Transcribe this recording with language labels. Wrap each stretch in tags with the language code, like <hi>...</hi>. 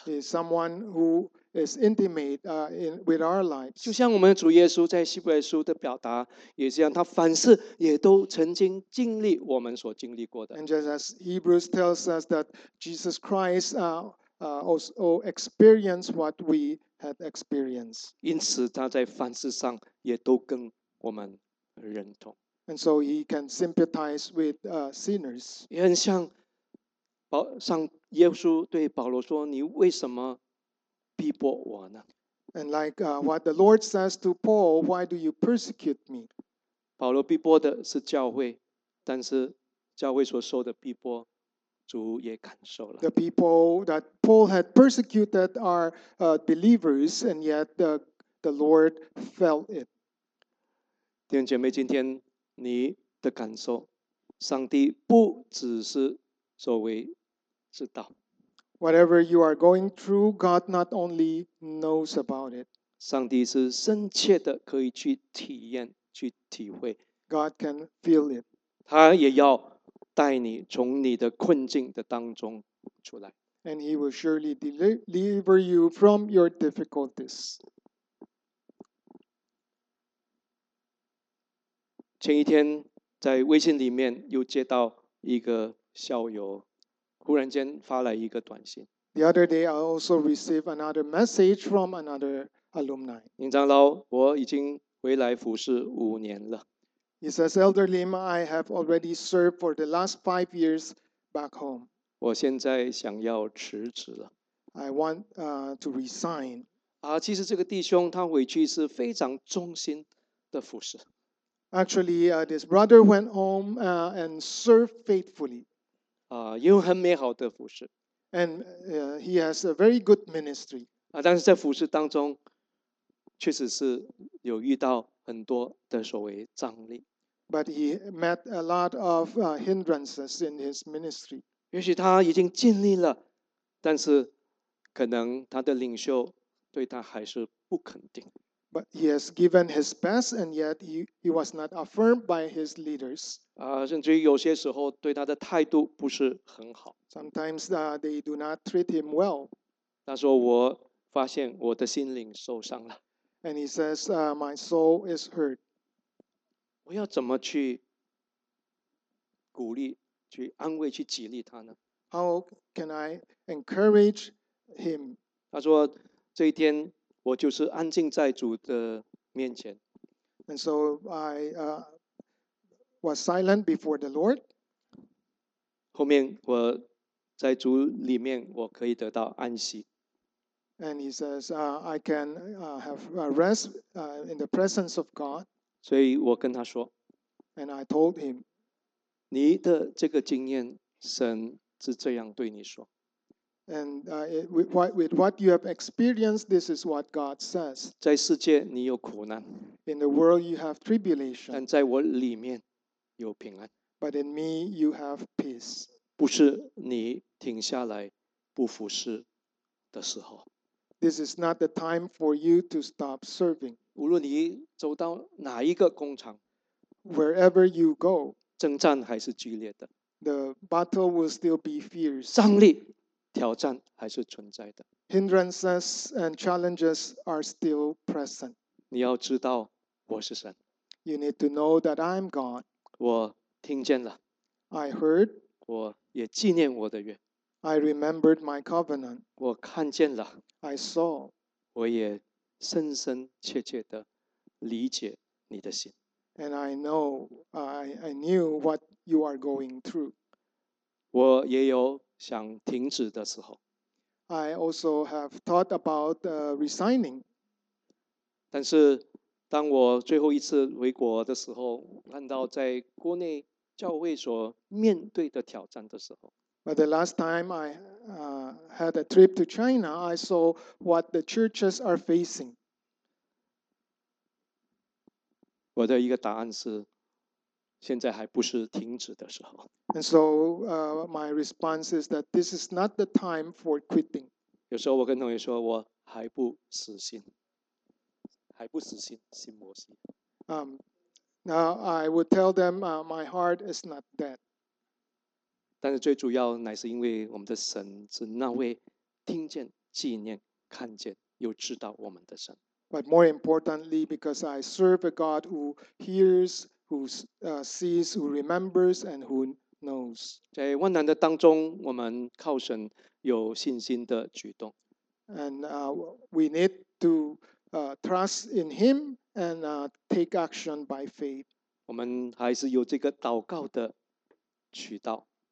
<en>He is someone who is intimate in with our lives.</en> <zh>就像我们主耶稣在希伯来书的表达也是这样，他凡事也都曾经经历我们所经历过的。</zh> <en>And just as Hebrews tells us that Jesus Christ also experienced what we had experienced.</en> <zh>因此他在凡事上也都跟我们认同。</zh> <en>And so he can sympathize with sinners.</en> <zh>也很像保上耶稣对保罗说：“你为什么逼迫我呢</zh> <en>？”And like what the Lord says to Paul, why do you persecute me?</en> <zh>保罗逼迫的是教会，但是教会所受的逼迫，主也感受了。</zh> <en>The people that Paul had persecuted are believers, and yet the Lord felt it.</en> <zh>弟兄姐妹，今天你的感受，上帝不只是作为知道。</zh> <en>Whatever you are going through, God not only knows about it.</en> <zh>上帝是深切的可以去体验、去体会。</zh> <en>God can feel it.</en> <zh>他也要带你从你的困境的当中出来。</zh> <en>And he will surely deliver you from your difficulties.</en> <zh>前一天在微信里面又接到一个校友忽然间发来一个短信。</zh> <en>The other day, I also received another message from another alumni.</en> <zh>林长老，我已经回来服侍五年了。</zh> <en>He says, Elder Lim, I have already served for the last 5 years back home.</en> <zh>我现在想要辞职了。</zh> <en>I want to resign.</en> <zh>其实这个弟兄他回去是非常忠心的服侍。</zh> <en>Actually, this brother went home and served faithfully.</en> <zh>有很美好的服事。</zh> <en>And he has a very good ministry.</en> <zh>但是在服事当中确实是有遇到很多的所谓障碍。</zh> <en>But he met a lot of hindrances in his ministry.</en> <zh>也许他已经尽力了，但是可能他的领袖对他还是不肯定。</zh> <en>But he has given his best, and yet he was not affirmed by his leaders.</en> <zh>甚至于有些时候对他的态度不是很好。</zh> <en>Sometimes they do not treat him well.</en> <zh>他说：“我发现我的心灵受伤了。”</zh> <en>And he says, "My soul is hurt."</en> <zh>我要怎么去鼓励、去安慰、去激励他呢</zh> <en>？How can I encourage him?</en> <zh>他说：“这一天。” 我就是安静在主的面前。</zh> <en>And so I was silent before the Lord.</en> <zh>后面我在主里面我可以得到安息。</zh> <en>And he says, I can have a rest in the presence of God.</en> <zh>所以我跟他说。</zh> <en>And I told him.</en> <zh>你的这个经验神是这样对你说。</zh> <en>And with what you have experienced, this is what God says.</en> <zh>在世界你有苦难。</zh> <en>In the world, you have tribulation.</en> <zh>但在我里面有平安。</zh> <en>But in me, you have peace.</en> <zh>不是你停下来不服侍的时候。</zh> <en>This is not the time for you to stop serving.</en> <zh>无论你走到哪一个工厂，</zh> <en>wherever you go,</en> <zh>征战还是剧烈的。</zh> <en>The battle will still be fierce.</en> <zh>胜利。挑战还是存在的。</zh> <en>Hindrances and challenges are still present.</en> <zh>你要知道我是神。</zh> <en>You need to know that I'm God.</en> <zh>我听见了。</zh> <en>I heard.</en> <zh>我也纪念我的约。</zh> <en>I remembered my covenant.</en> <zh>我看见了。</zh> <en>I saw.</en> <zh>我也深深切切地理解你的心。</zh> <en>And I know, I knew what you are going through.</en> <zh>我也有想停止的时候。</zh> <en>I also have thought about resigning.</en> <zh>但是当我最后一次回国的时候，看到在国内教会所面对的挑战的时候。</zh> <en>But the last time I had a trip to China, I saw what the churches are facing.</en> <zh>我的一个答案是现在还不是停止的时候。</zh> <en>And so, my response is that this is not the time for quitting.</en> <zh>有时候我跟同学说，我还不死心，还不死心，心魔心。</zh> <en>Now I would tell them, my heart is not dead.</en> <zh>但是最主要乃是因为我们的神是那位听见、纪念、看见又知道我们的神。</zh> <en>But more importantly, because I serve a God who hears, who sees, who remembers, and who knows.</en> <zh>在患难的当中，我们靠神有信心的举动。</zh> <en>And we need to trust in Him and take action by faith.</en> <zh>我们还是有这个祷告的渠道。</zh>